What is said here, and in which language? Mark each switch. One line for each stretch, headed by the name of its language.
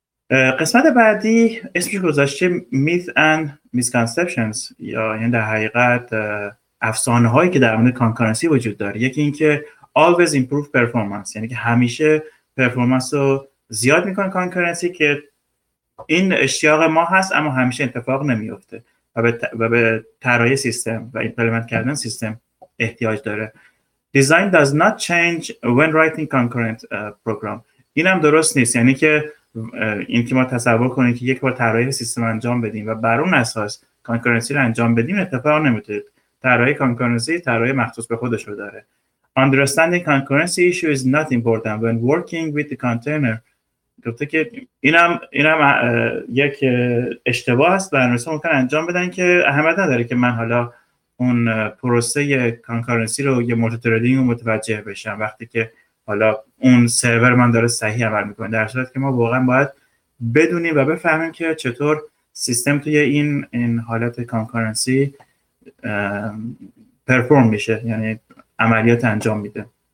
Persian: قسمت بعدی اسمش گذاشته
English: Myth and Misconceptions،
Persian: یا یعنی در حقیقت افسانه هایی که در مورد کانکارنسی وجود داره. یکی این که
English: Always Improve Performance،
Persian: یعنی که همیشه پرفورمنس رو زیاد میکنه کانکارنسی، که این اشتیاق ما هست اما همیشه اتفاق نمیفته و به طراحی سیستم و ایمپلمنت کردن سیستم احتیاج داره.
English: Design does not change when writing concurrent program.
Persian: این هم درست نیست، یعنی که این که ما تصور کنیم که یک بار طراحی سیستم انجام بدیم و بر اون اساس کانکرنسی رو انجام بدیم اتفاق نمیتونه. طراحی کانکرنسی طراحی مخصوص به خودش رو داره.
English: Understanding concurrency issue is not important when working with the container.
Persian: گفته که اینم یک اشتباه است، برنامه‌نویسا ممکن انجام بدن که اهمیت نداره که من حالا اون پروسه کانکارنسی رو یه مولتی تریدینگ رو متوجه بشم وقتی که حالا اون سرور من داره صحیح عمل میکنه، در صورتی که ما واقعا باید بدونیم و بفهمیم که چطور سیستم توی این حالت کانکارنسی پرفورم میشه، یعنی عملیات انجام میده.